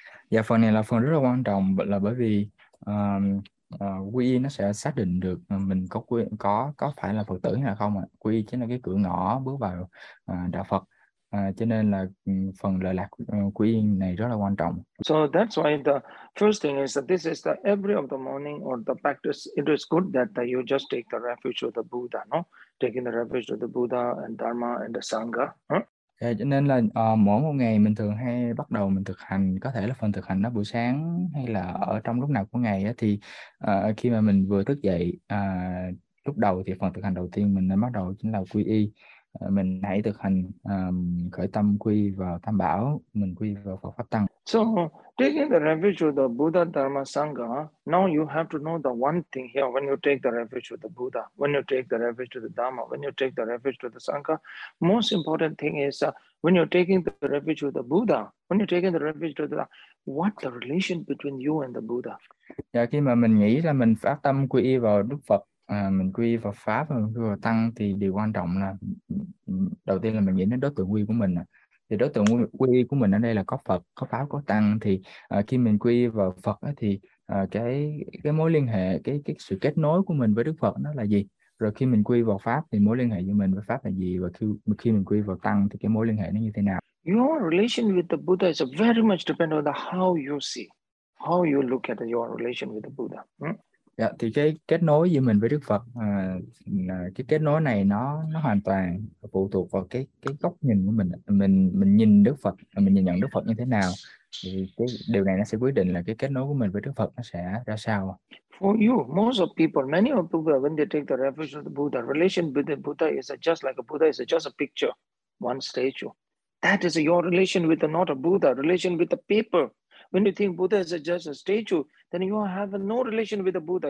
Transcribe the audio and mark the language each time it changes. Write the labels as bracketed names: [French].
[Vietnamese] Dạ phần này là phần rất là quan trọng, là bởi vì quy y nó sẽ xác định được mình có phải là Phật tử hay không ạ. Quy y chính là cái cửa ngõ bước vào đạo Phật, cho nên là phần lợi lạc quy y này rất là quan trọng. [English] So that's why the first thing is that this is the every of the morning or the practice, it is good that you just take the refuge of the Buddha, no? Taking the refuge of the Buddha and Dharma and the Sangha. [Vietnamese] Cho nên là mỗi một ngày mình thường hay bắt đầu mình thực hành, có thể là phần thực hành đó buổi sáng hay là ở trong lúc nào của ngày ấy, thì khi mà mình vừa thức dậy, lúc đầu thì phần thực hành đầu tiên mình đã bắt đầu chính là quy y. Mình hãy thực hành khởi tâm quy vào Tam Bảo, mình quy vào Phật Pháp Tăng. [English] So taking the refuge of the Buddha, Dharma, Sangha, now you have to know the one thing here. When you take the refuge of the Buddha, when you take the refuge of the Dharma, when you take the refuge of the Sangha, most important thing is when you're taking the refuge of the Buddha, when you're taking the refuge of the Dharma, what the relation between you and the Buddha? [Vietnamese] Dạ, khi mà mình nghĩ là mình phát tâm quy y vào Đức Phật, mình quy y vào Pháp và quy y vào Tăng, thì điều quan trọng là đầu tiên là mình nghĩ đến đối tượng quy của mình. Thì đối tượng quy y của mình ở đây là có Phật, có Pháp, có Tăng. Thì khi mình quy y vào Phật thì cái mối liên hệ, cái sự kết nối của mình với Đức Phật nó là gì? Rồi khi mình quy y vào Pháp thì mối liên hệ giữa mình với Pháp là gì? Và khi mình quy y vào Tăng thì cái mối liên hệ nó như thế nào? [English] Your relation with the Buddha is very much depend on the how you see, how you look at your relation with the Buddha. [Vietnamese] Dạ, thì cái kết nối giữa mình với Đức Phật, cái kết nối này nó hoàn toàn phụ thuộc vào cái góc nhìn của mình. Mình nhìn Đức Phật, mình nhìn nhận Đức Phật như thế nào, thì cái điều này nó sẽ quyết định là cái kết nối của mình với Đức Phật nó sẽ ra sao. [English] For you, most of people, many of people, when they take the refuge of the Buddha, relation with the Buddha is just like a Buddha is just a picture, one statue. That is your relation with the, not a Buddha, relation with the paper. When you think Buddha is just a statue, then you have no relation with the Buddha.